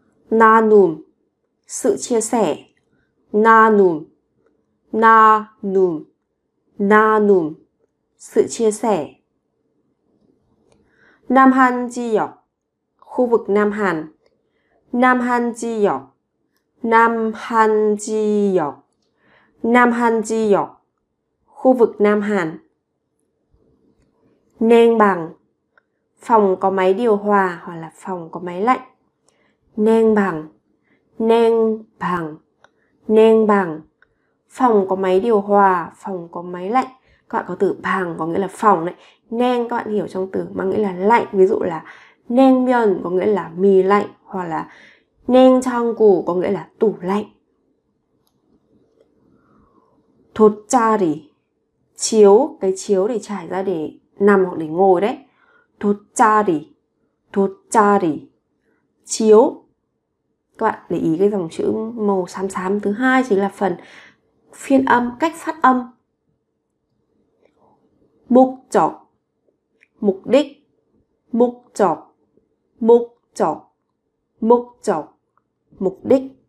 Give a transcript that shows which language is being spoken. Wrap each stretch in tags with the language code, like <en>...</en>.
<ko>나눔,</ko> <vi>sự chia sẻ.</vi> <ko>나눔, 나눔, 나눔,</ko> <vi>sự chia sẻ.</vi> <ko>남한 지역,</ko> <vi>khu vực Nam Hàn.</vi> <ko>남한 지역, 남한 지역, 남한 지역,</ko> <vi>khu vực Nam Hàn.</vi> <ko>냉방,</ko> <vi>phòng có máy điều hòa hoặc là phòng có máy lạnh.</vi> <ko>냉방, 냉방, 냉방,</ko> <vi>phòng có máy điều hòa, phòng có máy lạnh. Các bạn có từ 방 có nghĩa là phòng đấy, 냉 các bạn hiểu trong từ mà nghĩa là lạnh. Ví dụ là 냉면 có nghĩa là mì lạnh, hoặc là 냉장고 có nghĩa là tủ lạnh.</vi> <ko>돗자리,</ko> <vi>chiếu, cái chiếu để trải ra để nằm hoặc để ngồi đấy.</vi> <ko>돗자리, 돗자리,</ko> <vi>chiếu. Các bạn để ý cái dòng chữ màu xám xám thứ hai chính là phần phiên âm, cách phát âm. Mục chọc, mục đích. Mục chọc, mục chọc, mục chọc, mục đích.</vi>